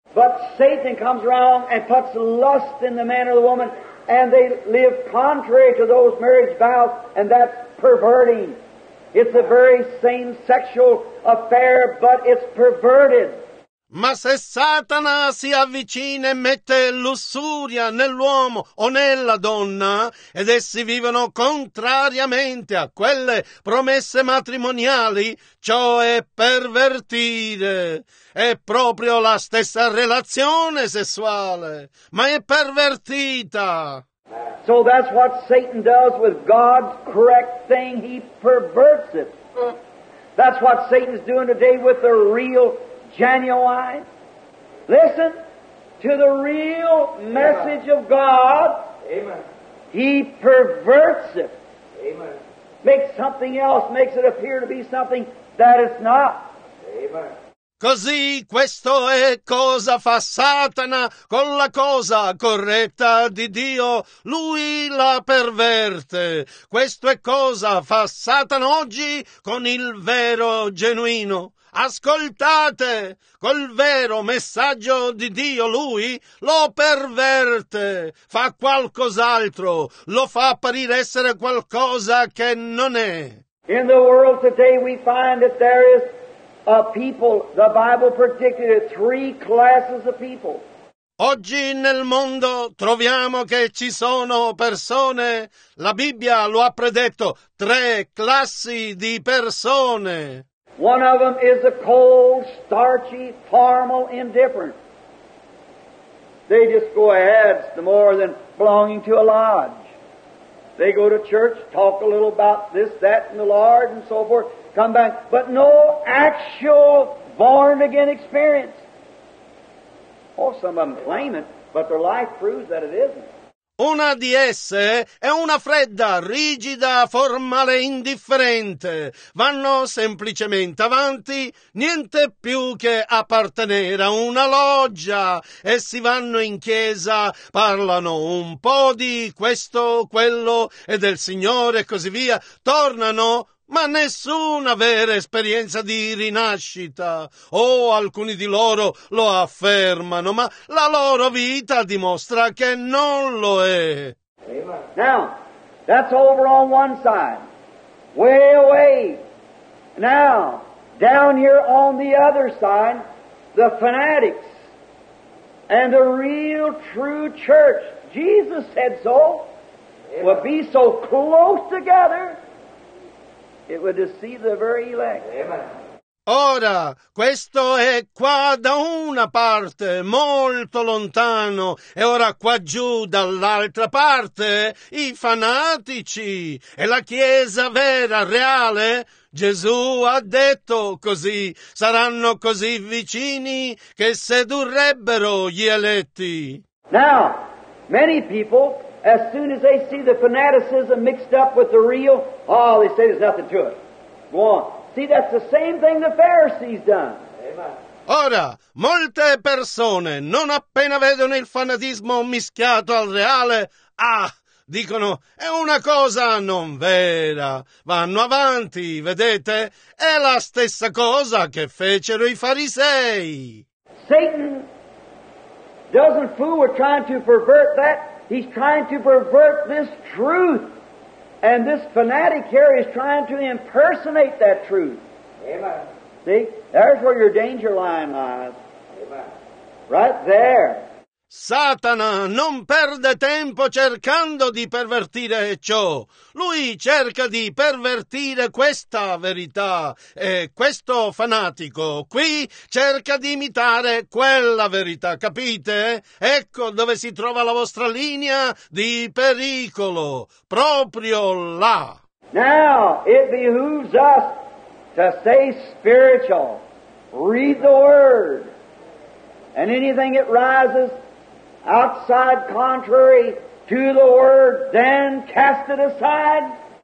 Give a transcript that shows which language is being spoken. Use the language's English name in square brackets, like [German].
[English] But Satan comes around and puts lust in the man or the woman, and they live contrary to those marriage vows, and that's perverting. It's the very same sexual affair, but it's perverted. [Italian] Ma se Satana si avvicina e mette lussuria nell'uomo o nella donna, ed essi vivono contrariamente a quelle promesse matrimoniali, ciò è pervertire. È proprio la stessa relazione sessuale, ma è pervertita. [English] So that's what Satan does with God's correct thing. He perverts it. That's what Satan's doing today with the real genuine. Listen to the real message of God. Amen. He perverts it. Amen. Makes something else, makes it appear to be something that it's not. Amen. [Italian] Così questo è cosa fa Satana con la cosa corretta di Dio. Lui la perverte. Questo è cosa fa Satana oggi con il vero genuino. Ascoltate, col vero messaggio di Dio lui lo perverte, fa qualcos'altro, lo fa apparire essere qualcosa che non è. [English] In the world today we find that there is a people, the Bible predicted it, three classes of people. [Italian] Oggi nel mondo troviamo che ci sono persone, la Bibbia lo ha predetto, tre classi di persone. [English] One of them is a cold, starchy, formal indifferent. They just go ahead, it's no more than belonging to a lodge. They go to church, talk a little about this, that, and the Lord, and so forth, come back, but no actual born-again experience. Oh, some of them claim it, but their life proves that it isn't. [Italian] Una di esse è una fredda, rigida, formale, indifferente. Vanno semplicemente avanti, niente più che appartenere a una loggia. Essi vanno in chiesa, parlano un po' di questo, quello e del Signore e così via. Tornano, ma nessuna vera esperienza di rinascita. Oh, alcuni di loro lo affermano, ma la loro vita dimostra che non lo è. [English] Now, that's over on one side, way away. Now, down here on the other side, the fanatics and the real true church. Jesus said so. Would be so close together. It would deceive the very elect. Amen. [Italian] Ora, questo è qua da una parte, molto lontano, e ora qua giù dall'altra parte, i fanatici e la Chiesa vera, reale. Gesù ha detto così, saranno così vicini che sedurrebbero gli eletti. [English] Now, many people, as soon as they see the fanaticism mixed up with the real, oh, they say there's nothing to it. Go on. See, that's the same thing the Pharisees done. [Italian] Ora, molte persone, non appena vedono il fanatismo mischiato al reale, dicono, è una cosa non vera. Vanno avanti, vedete? È la stessa cosa che fecero i farisei. [English] Satan doesn't fool with trying to pervert that. He's trying to pervert this truth, and this fanatic here is trying to impersonate that truth. Amen. See, there's where your danger line lies. Amen. Right there. [Italian] Satana non perde tempo cercando di pervertire ciò. Lui cerca di pervertire questa verità. E questo fanatico qui cerca di imitare quella verità, capite? Ecco dove si trova la vostra linea di pericolo, proprio là. [English] Now, it behooves us to stay spiritual. Read the Word. And anything that rises outside contrary to the word, then cast it aside.